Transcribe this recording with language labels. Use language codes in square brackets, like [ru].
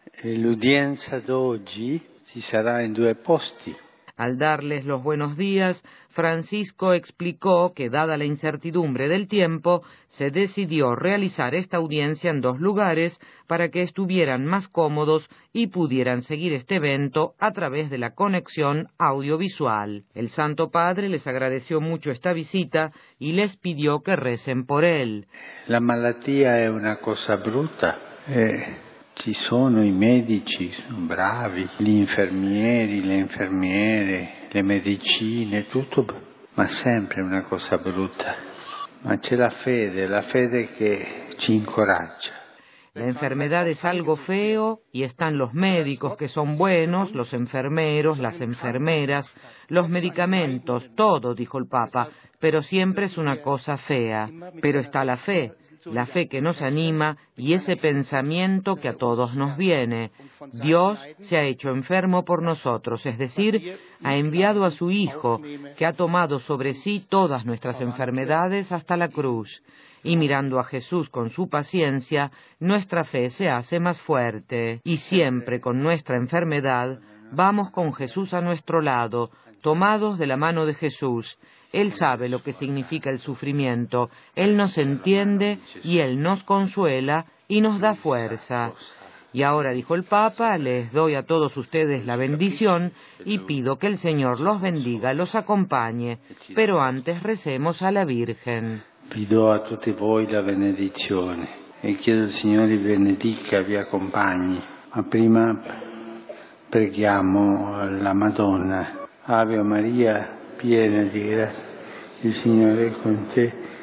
[it] L'udienza d'oggi si sarà in due posti. [es] Al darles los buenos días, Francisco explicó que, dada la incertidumbre del tiempo, se decidió realizar esta audiencia en dos lugares para que estuvieran más cómodos y pudieran seguir este evento a través de la conexión audiovisual. El Santo Padre les agradeció mucho esta visita y les pidió que recen por él. [it] La malattia è una cosa brutta. Ci sono i medici, sono bravi, gli infermieri, le infermiere, le medicine, tutto, ma sempre una cosa brutta. Ma c'è la fede che ci incoraggia. [es] La enfermedad es algo feo y están los médicos que son buenos, los enfermeros, las enfermeras, los medicamentos, todo, dijo el Papa, pero siempre es una cosa fea. Pero está la fe que nos anima y ese pensamiento que a todos nos viene. Dios se ha hecho enfermo por nosotros, es decir, ha enviado a su Hijo, que ha tomado sobre sí todas nuestras enfermedades hasta la cruz. Y mirando a Jesús con su paciencia, nuestra fe se hace más fuerte. Y siempre con nuestra enfermedad, vamos con Jesús a nuestro lado, tomados de la mano de Jesús. Él sabe lo que significa el sufrimiento, Él nos entiende y Él nos consuela y nos da fuerza. Y ahora, dijo el Papa, les doy a todos ustedes la bendición y pido que el Señor los bendiga, los acompañe. Pero antes recemos a la Virgen. [it] Pido a tutti voi la benedizione e chiedo al Signore benedica, vi accompagni. Ma prima preghiamo la Madonna. Ave Maria, piena di grazia, il Signore è con te.